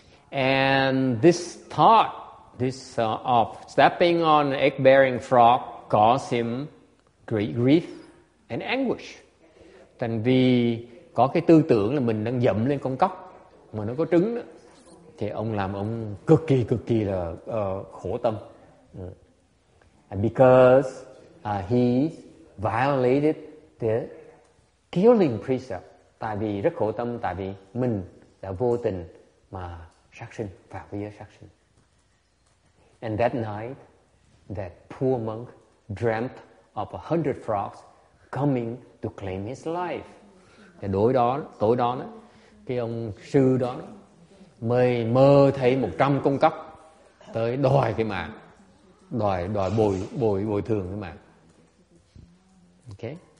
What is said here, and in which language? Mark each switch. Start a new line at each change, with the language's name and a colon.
English: And this thought, this of stepping on an egg-bearing frog caused him great grief and anguish.
Vietnamese: Thành vì có cái tư tưởng là mình đang dẫm lên con cóc mà nó có trứng đó, thì ông làm ông cực kỳ là khổ tâm.
English: And because he violated the killing precept,
Vietnamese: tại vì rất khổ tâm, tại vì mình đã vô tình mà sát sinh, phạm giới sát sinh.
English: And that night, that poor monk dreamt of 100 frogs coming to claim his life.
Vietnamese: Cái đối đó, tối đó, cái ông sư đó mơ thấy 100 con cóc tới đòi cái mạng, đòi bồi thường cái mạng. Okay.